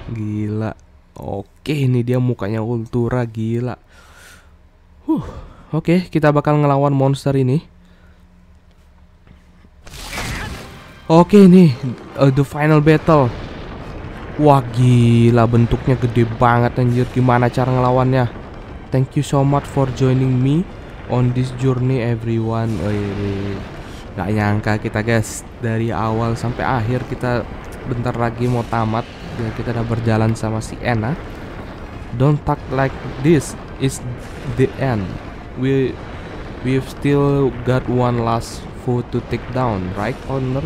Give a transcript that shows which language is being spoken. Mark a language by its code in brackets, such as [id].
[id] Gila. Oke, ini dia mukanya Ultura, gila. Oke, kita bakal ngelawan monster ini. Oke, ini [en] the final battle. [id] Wah gila, bentuknya gede banget anjir. Gimana cara ngelawannya? [en] Thank you so much for joining me on this journey everyone. [id] Gak nyangka kita guys, dari awal sampai akhir kita bentar lagi mau tamat. Ya, kita udah berjalan sama si Anna. [en] Don't talk like this, it's the end. We've still got one last foe to take down, right owner?